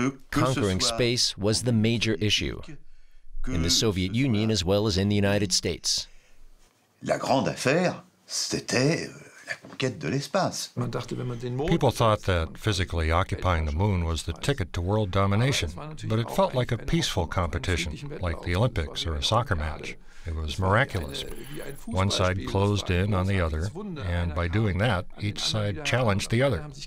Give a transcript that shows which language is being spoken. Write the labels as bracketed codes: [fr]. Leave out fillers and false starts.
[en] Conquering space was the major issue in the Soviet Union as well as in the United States. [fr] La grande affaire, c'était la conquête de l'espace. [en] People thought that physically occupying the moon was the ticket to world domination, but it felt like a peaceful competition, like the Olympics or a soccer match. It was miraculous. One side closed in on the other, and by doing that, each side challenged the other.